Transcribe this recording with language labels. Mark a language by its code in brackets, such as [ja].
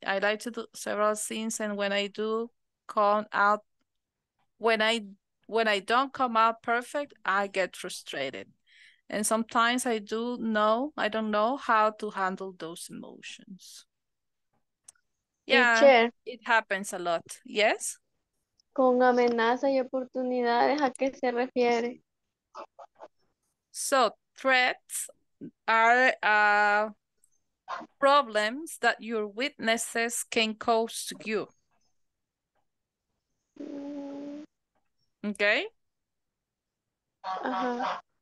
[en] I like to do several things, and when I do come out, when I don't come out perfect, I get frustrated. And sometimes I don't know how to handle those emotions. Yeah, teacher, it happens a lot. Yes? [es] Con amenaza y oportunidades, ¿a qué se refiere? [en] So, threats are problems that your witnesses can cause to you. Okay. Uh-huh.